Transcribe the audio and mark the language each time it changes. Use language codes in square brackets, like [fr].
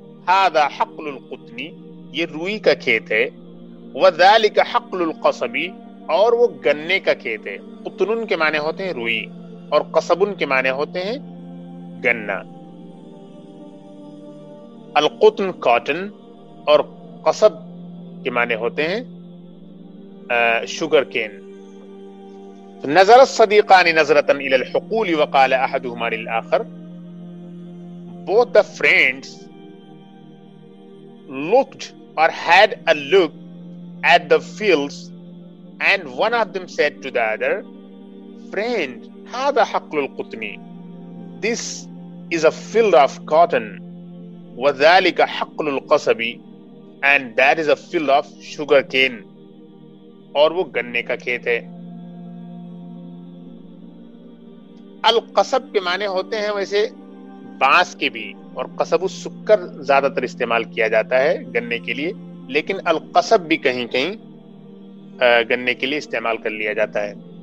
[ar] هذا حقل القطن [ur] یہ روئی کا کھیت ہے. [ar] وذلك حقل القصب [ur] اور وہ گنے کا کھیت ہے. قطن کے معنی ہوتے ہیں روئی اور قصب کے معنی ہوتے ہیں گنا. القطن کاٹن اور قصب کے معنی ہوتے ہیں شوگر کین. [ar] نظر الصدیقان نظرة الى الحقول وقال احدهما للآخر. [en] Both the friends looked or had a look at the fields and one of them said to the other, friend [ar] هذا حقل القطن، [en] this is a field of cotton. [ar] وذلك حقل القصب [en] and that is a field of sugar cane، [ur] اور وہ گنے کا کھیت ہے. القصب کے معنی ہوتے ہیں ویسے بانس کے بھی، اور قصب السکر زیادہ تر استعمال کیا جاتا ہے گنے کے لیے، لیکن القصب بھی کہیں کہیں گنے کے لیے استعمال کر لیا جاتا ہے.